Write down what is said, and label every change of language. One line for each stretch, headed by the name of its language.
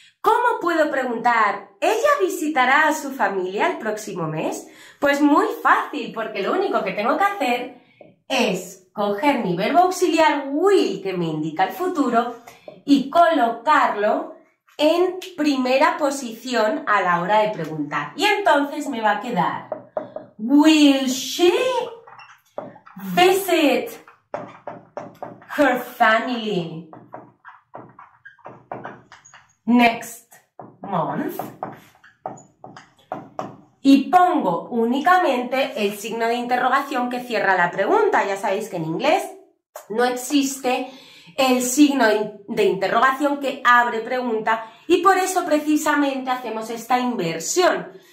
Spanish: ¿Cómo puedo preguntar, ella visitará a su familia el próximo mes? Pues muy fácil, porque lo único que tengo que hacer es coger mi verbo auxiliar will, que me indica el futuro, y colocarlo en primera posición a la hora de preguntar. Y entonces me va a quedar,
English: will she visit her family next month?
Spanish: Y pongo únicamente el signo de interrogación que cierra la pregunta. Ya sabéis que en inglés no existe el signo de interrogación que abre pregunta y por eso precisamente hacemos esta inversión.